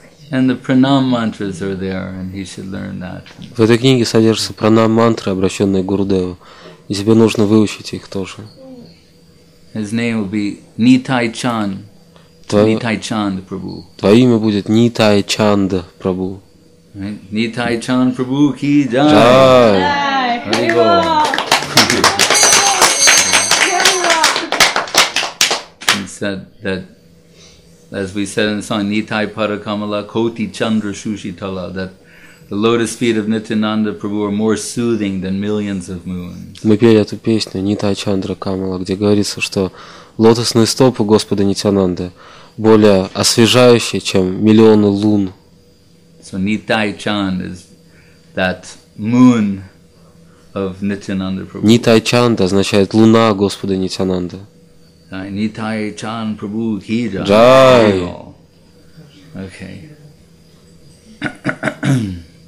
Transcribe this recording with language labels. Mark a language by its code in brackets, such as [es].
[en] And the pranam mantras are there, and he should learn that. [ru] В этой книге содержатся пранам мантры, обращенные к Гурудеву, и тебе нужно выучить их тоже. [en] His name will be Nitai Chand. Nitai Chand Prabhu. [ru] Твое имя будет Нитай Чанд Прабу. [hi] Нитай Чанд Прабу ки джай. Джай. Хари бол. [en] He said that, as we said in the song, Nitai Parakamala Koti Chandra Sushitala, that the lotus feet of Nityananda Prabhu are more soothing than millions of moons. [ru] Мы пели эту песню Нитай Чандра Камала, где говорится, что лотосные стопы Господа Нитянанды более освежающие, чем миллионы лун. [en] So Nitai Chand is that moon of Nityananda Prabhu. [ru] Nitai Chand означает луна Господа Нитянанды. [hi] Nitai Chand Prabhu ki jai. Jai. [en] Okay.